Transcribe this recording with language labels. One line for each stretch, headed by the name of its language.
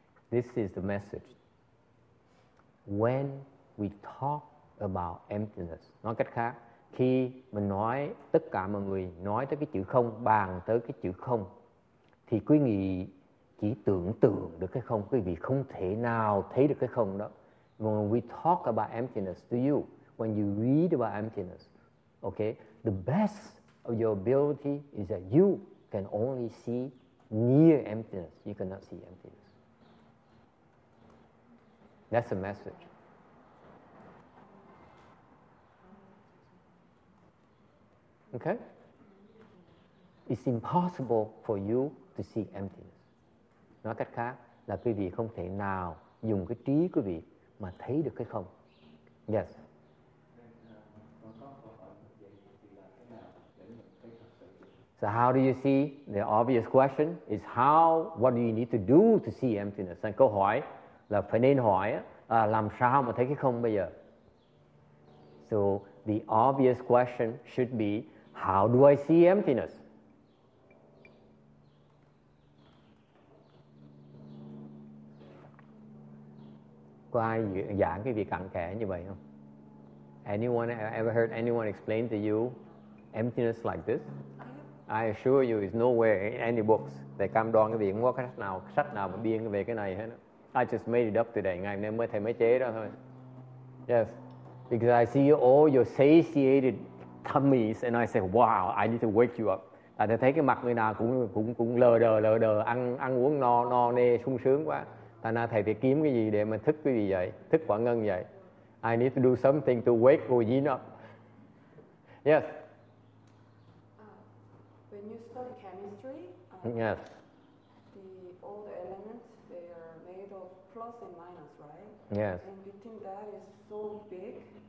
English: This is the message. When we talk about emptiness.
Vietnamese: Nói cách khác, khi mình nói, tất cả mọi người nói tới cái chữ không, bàn tới cái chữ không, thì quý vị chỉ tưởng tượng được cái không, quý vị không thể nào thấy được cái không đó.
English: When we talk about emptiness to you, when you read about emptiness, okay, the best of your ability is that you can only see near emptiness. You cannot see emptiness. That's the message. Okay? It's impossible for you to see emptiness.
Vietnamese: Nói cách khác là quý vị không thể nào dùng cái trí quý vị mà thấy được cái không.
English: Yes. So how do you see? The obvious question is how, what do you need to do to see emptiness?
Vietnamese: And câu hỏi là phải nên hỏi làm sao mà thấy cái không bây giờ?
English: So the obvious question should be, how do I see emptiness?
Vietnamese: Có ai giảng cái việc cặn kẽ như vậy không?
English: Anyone ever heard anyone explain to you emptiness like this? I assure you, it's nowhere in any books. They come down
Vietnamese: cái việc không có cái sách nào mà biên về cái này hết.
English: I just made it up today.
Vietnamese: Ngày nay mới thầy mới chế đó thôi.
English: Yes, because I see all your satiated tummies, and I say, wow, I need to wake you up.
Vietnamese: À, thầy thấy cái mặt người nào cũng lờ đờ, ăn uống no nê sung sướng quá. Thành ra thầy phải kiếm cái gì để mà thức cái gì vậy, thức quả ngân vậy.
English: I need to do something to wake you up. Yes. When you study chemistry, yes. All the elements, they are made of plus and minus, right? Yes. And between that is so big.